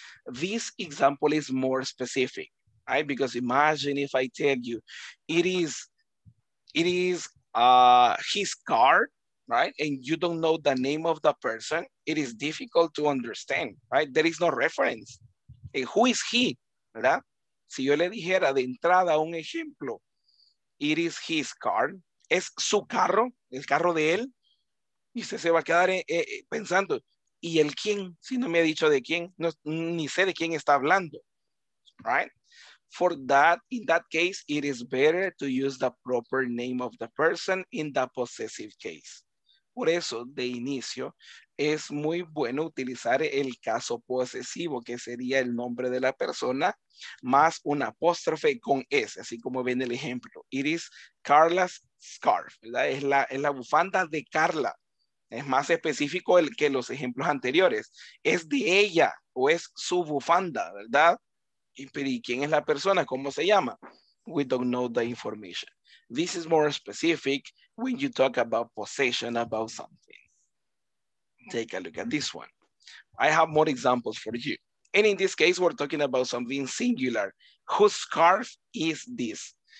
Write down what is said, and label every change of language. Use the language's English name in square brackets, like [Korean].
[English] This example is more specific, right? Because imagine if I tell you it is his car, right? And you don't know the name of the person, it is difficult to understand, right? There is no reference. And who is he, verdad? [Spanish] Si yo le dijera de entrada un ejemplo, [English] it is his car, [Spanish] es su carro, el carro de él, y usted se va a quedar pensando, ¿y el quién? Si no me ha dicho de quién, no, ni sé de quién está hablando, right? [English] For that, in that case, it is better to use the proper name of the person in the possessive case. [Spanish] Por eso, de inicio, es muy bueno utilizar el caso posesivo, que sería el nombre de la persona, más un apóstrofe con S, así como ven el ejemplo. [English] It is Carla's scarf, [Spanish] ¿verdad? Es la bufanda de Carla. Es más específico que los ejemplos anteriores. Es de ella o es su bufanda, ¿verdad? ¿Y quién es la persona? ¿Cómo se llama? [English] We don't know the information. This is more specific when you talk about possession about something. Take a look at this one. I have more examples for you. And in this case, we're talking about something singular. Whose scarf is this?